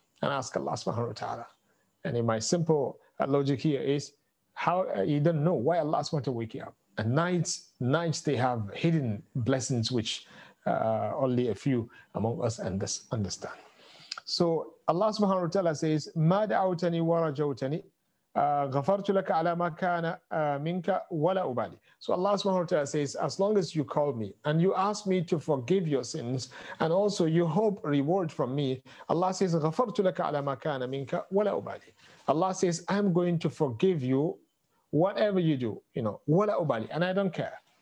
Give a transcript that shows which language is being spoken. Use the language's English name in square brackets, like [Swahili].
[English] And ask Allah subhanahu wa ta'ala. And in my simple logic here is, how you don't know why Allah subhanahu wa ta'ala wake you up. And nights they have hidden blessings which only a few among us understand. So Allah subhanahu wa ta'ala says, [Arabic] مَا دَعَوْتَنِي وَرَجَوْتَنِي غفرت لك على ما كان منك ولا أبالي. [English] So Allah subhanahu wa ta'ala says, as long as you call me and you ask me to forgive your sins and also you hope reward from me, Allah says, [Arabic] غفرت لك على ما كان منك ولا أبالي. [English] Allah says, I'm going to forgive you whatever you do, you know, [Arabic] ولا أبالي, [English] and I don't care.